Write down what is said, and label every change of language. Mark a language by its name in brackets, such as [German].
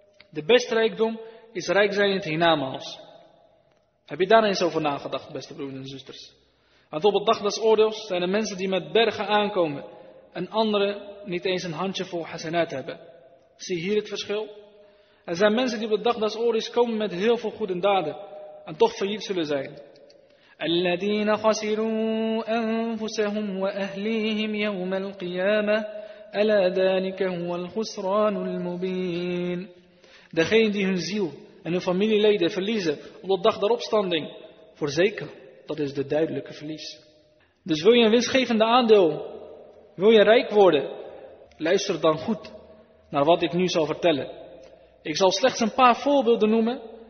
[Dutch] De beste rijkdom is rijk zijn in het hiernamaals. Heb je daar eens over nagedacht, beste broeders en zusters? Want op het dag des oordeels zijn er mensen die met bergen aankomen. En anderen niet eens een handjevol hasanaat hebben. Zie hier het verschil. Er zijn mensen die op het dag des oordeels komen met heel veel goede daden. En toch failliet zullen zijn. [Arabic] الذين خسروا أنفسهم وأهليهم يوم القيامة ألا ذلك هو الخسران المبين. [Dutch] Degene die hun ziel en hun familieleden verliezen op de dag der opstanding, voorzeker, dat is de duidelijke verlies. Dus wil je een winstgevende aandeel, wil je rijk worden, luister dan goed naar wat ik nu zal vertellen. Ik zal slechts een paar voorbeelden noemen.